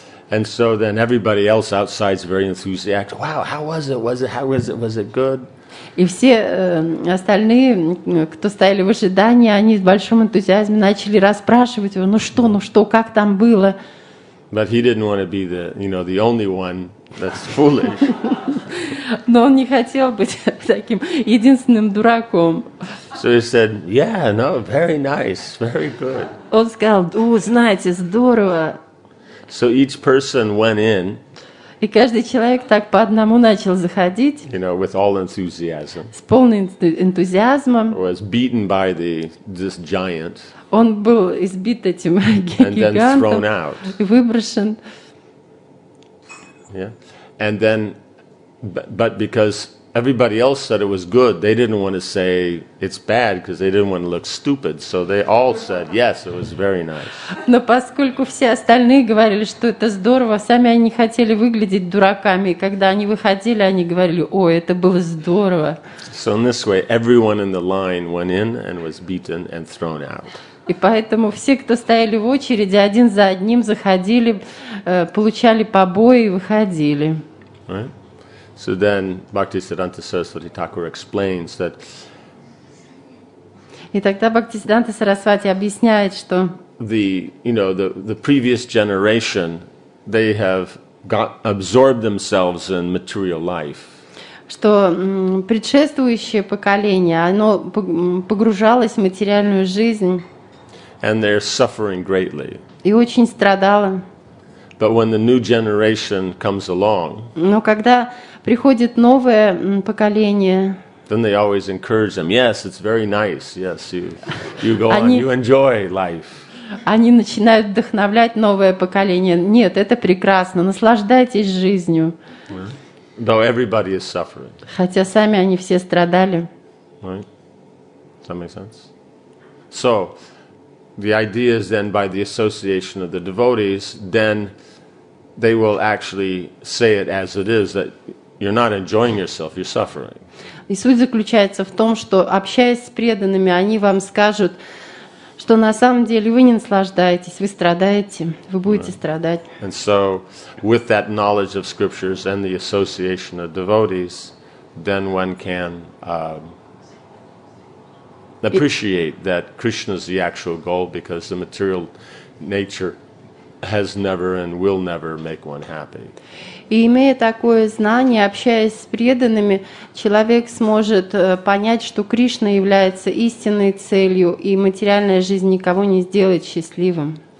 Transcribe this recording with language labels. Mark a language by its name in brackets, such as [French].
[English] And so then everybody else outside is very enthusiastic. Wow, how was it? Was it? How was it? Was it good? [Russian] И все остальные, кто стояли в ожидании, они с большим энтузиазмом начали расспрашивать его, ну что, как там было? [English] But he didn't want to be the, you know, the only one that's foolish. [Russian] Но он не хотел быть таким единственным дураком. [English] So he said, yeah, no, very nice, very good. [Russian] Он сказал, знаете, здорово. [English] So each person went in. [Russian] И каждый человек так по одному начал заходить. [English] You know, with all enthusiasm. [Russian] С полным энтузиазмом. [English] Was beaten by this giant. [Russian] Он был избит этим гигантом. [English] And then thrown out. [Russian] И выброшен. [English] Yeah. And then, but because everybody else said it was good, they didn't want to say it's bad because they didn't want to look stupid. So they all said, yes, it was very nice. [Russian] Но поскольку все остальные говорили, что это здорово, сами они не хотели выглядеть дураками. И когда они выходили, они говорили, ой, это было здорово. [English] So in this way, everyone in the line went in and was beaten and thrown out. [Russian] И поэтому все, кто стояли в очереди, один за одним заходили, получали побои и выходили. [English] Right. So then Bhaktisiddhanta Saraswati Thakur explains that. [Russian] И тогда Бхактисиддханта Сарасвати объясняет, что [English] the previous generation, they have got absorbed themselves in material life. [Russian] Что предшествующее поколение, оно погружалось в материальную жизнь. [English] And they're suffering greatly. [Russian] И очень страдало. [English] But when the new generation comes along, [Russian] но когда приходит новое поколение, [English] then they always encourage them. Yes, it's very nice. Yes, you go on. You enjoy life. [Russian] Они начинают вдохновлять новое поколение. Нет, это прекрасно. Наслаждайтесь жизнью. [English] Yeah. Though everybody is suffering. [Russian] Хотя сами они все страдали. [English] Right. That makes sense. So. The idea is then by the association of the devotees, then they will actually say it as it is, that you're not enjoying yourself, you're suffering. [Russian] И суть заключается в том, что общаясь с преданными, они вам скажут, что на самом деле вы не наслаждаетесь, вы страдаете, вы будете страдать. [English] And so, with that knowledge of scriptures and the association of devotees, then one can appreciate that Krishna is the actual goal because the material nature has never and will never make one happy. [Russian] И имея такое знание, общаясь с преданными, человек сможет понять, что Кришна является истинной целью, и материальная жизнь никого не сделает счастливым.